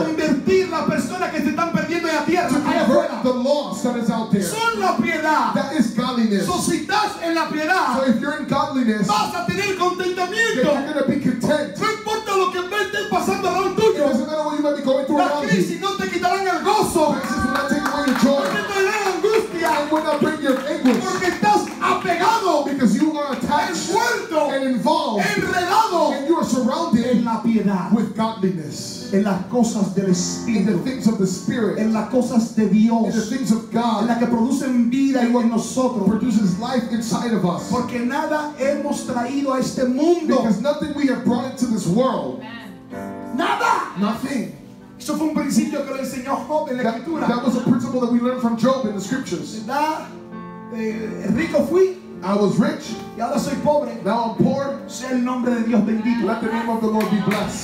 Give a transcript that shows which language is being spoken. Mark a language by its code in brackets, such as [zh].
[es] Convertir la persona que se están perdiendo en la tierra. [en] To convert the lost that is out there. [es] Son la piedad. [en] That is godliness. [es] So, si estás en la piedad, [en] so if you're in godliness, [es] vas a tener contentamiento. [en] You're going to be content. [es] No importa lo que estés pasando around tuyo. [en] It doesn't matter what you might be going through around you. [es] La crisis no te quitarán el gozo. [en] Crisis will not take away your joy. [es] No te traerá angustia. [en] It will not bring your anguish. [es] Porque estás apegado. [en] Because you are attached. [es] Envuelto. [en] And involved. [es] Enredado. [en] Surrounded [es] en la piedad, [en] with godliness, [es] en las cosas del espíritu, [en] in the things of the spirit, [es] en las cosas de Dios, [en] in the things of God, [es] en la que producen vida en nosotros, [en] produces life inside of us, [es] porque nada hemos traído a este mundo, [en] because nothing we have brought into this world, [es] nada, [en] nothing. [es] Eso fue un principio que le enseñó Job en la escritura. [en] That was a principle that we learned from Job in the scriptures. [es] Rico fui. [en] I was rich. [es] Y ahora soy pobre. [en] Now I'm poor. [es] Sea el nombre de Dios bendito. [en] Let the name of the Lord be blessed.